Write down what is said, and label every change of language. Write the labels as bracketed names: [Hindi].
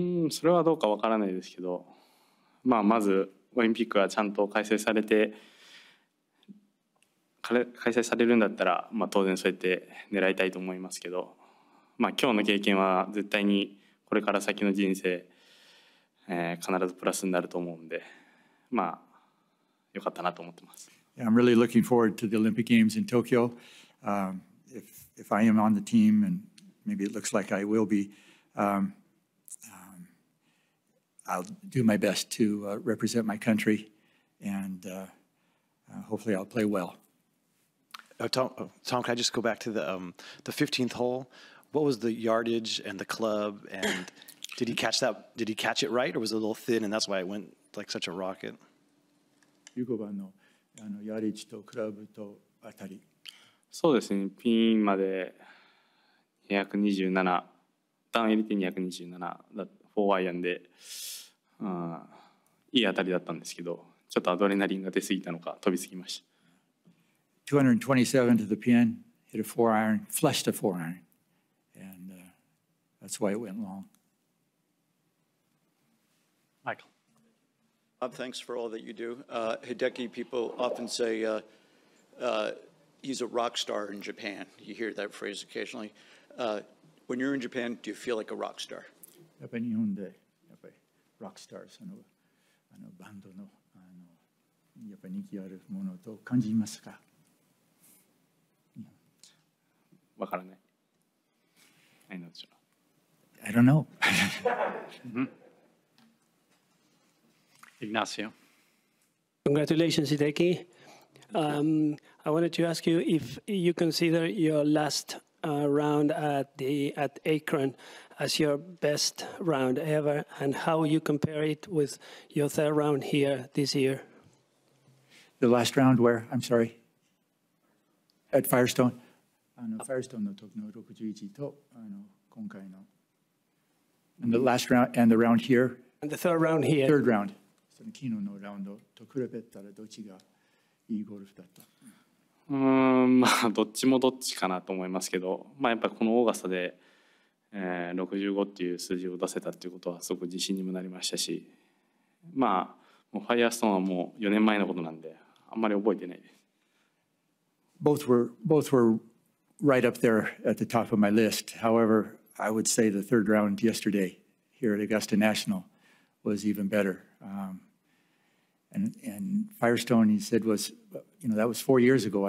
[Japanese] それはどうかわからないですけど、まあ、まずオリンピックがちゃんと開催されて開催されるんだったら、まあ、当然そうやって狙いたいと思いますけど、まあ、今日の経験は絶対にこれから先の人生、必ずプラスになると思うんで、まあ、よかったなと思ってます。 [English] Yeah, I'm really looking forward to the Olympic Games in Tokyo. If I am on the team, and maybe it looks like I will be, I'll do my best to represent my country, and hopefully I'll play well. Tom, can I just go back to the 15th hole? What was the yardage and the club? And did he catch that? Did he catch it right, or was it a little thin, and that's why it went like such a rocket? [Japanese] 15番のヤーデージとクラブと当たり。そうですね。ピンまで227、ダウン入れて227、フォーアイアンで、いい当たりだったんですけど、ちょっとアドレナリンが出すぎたのか飛びすぎました。 [English] 227 to the pin, hit a four iron, flushed a four iron, and that's why it went long. Michael. Bob, thanks for all that you do. Hideki, people often say he's a rock star in Japan. You hear that phrase occasionally. When you're in Japan, do you feel like a rock star? [Japanese] やっぱり日本でやっぱりロックスター、あのバンドのあのやっぱり人気あるものと感じますか？わからない。何でしょ [English] う。I don't know. Ignacio. Congratulations, Hideki. I wanted to ask you if you consider your last round at Akron as your best round ever, and how you compare it with your third round here this year. The last round where? I'm sorry. At Firestone. [Japanese] Firestone の時の61と今回の。 [English] And the last round and the round here. And the third round here. Third round. [Japanese] その昨日のラウンドと比べたらどっちがいいゴルフだった。まあどっちもどっちかなと思いますけど、まあやっぱりこのオーガスタで、65っていう数字を出せたっていうことはすごく自信にもなりましたし、まあもうファイアーストーンはもう4年前のことなんであんまり覚えてないです。 [English] Both were right up there at the top of my list. However, I would say the third round yesterday here at Augusta National was even better. And Firestone, he said, was, you know, that was 4 years ago.